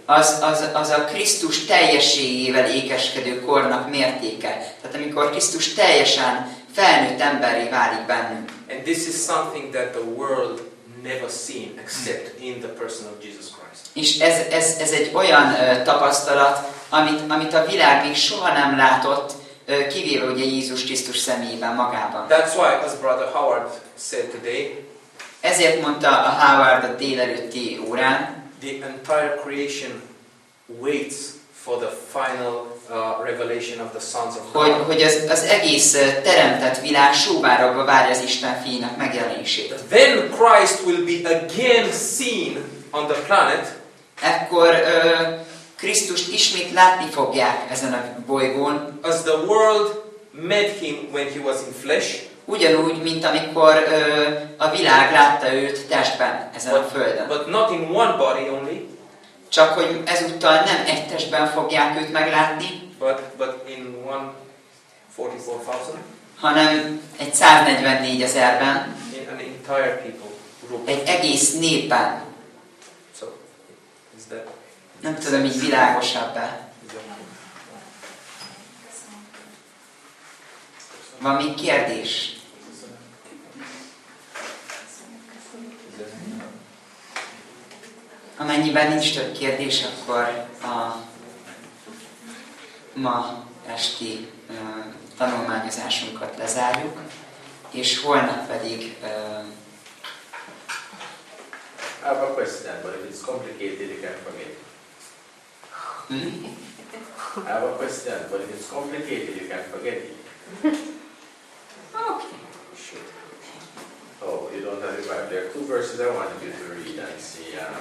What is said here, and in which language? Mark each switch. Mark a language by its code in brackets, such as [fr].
[hu] Az a Krisztus teljességével ékeskedő kornak mértéke. Tehát amikor Krisztus teljesen felnőtt emberré válik bennünk. [en] And this is something that the world never seen except in the person of Jesus Christ. [hu] És ez egy olyan tapasztalat, amit a világ még soha nem látott, kivéve ugye Jézus Krisztus személyében magában. [en] That's why as Brother Howard said today, [hu] ezért mondta a Howard a délelőtti órán, [en] the entire creation waits for the final revelation of the sons of God. [hu] Hogy az egész teremtett világ sóvárogva várja az Isten fiának megjelenését. [en] Then Christ will be again seen on the planet. [hu] Ekkor Krisztust ismét látni fogják ezen a bolygón. [en] As the world met him when he was in flesh. [hu] Ugyanúgy, mint amikor a világ látta őt testben ezen a földön. [en] But not in one body only. [hu] Csak hogy ezúttal nem egy testben fogják őt meglátni, [en] but in 144,000, [hu] hanem egy 144,000-ben, [en] an entire people group, [hu] egy egész népben. [en] So, is that, [hu] nem tudom, így világosabb-e. Van még kérdés? Amennyiben nincs több kérdés, akkor a ma esti tanulmányozásunkat lezárjuk, és holnap pedig... [en] I have a question, but if it's complicated, you can forget. I have a question, but if it's complicated, you can forget it. Okay. Shoot. Oh, you don't have the Bible. There are two verses I wanted you to read and see.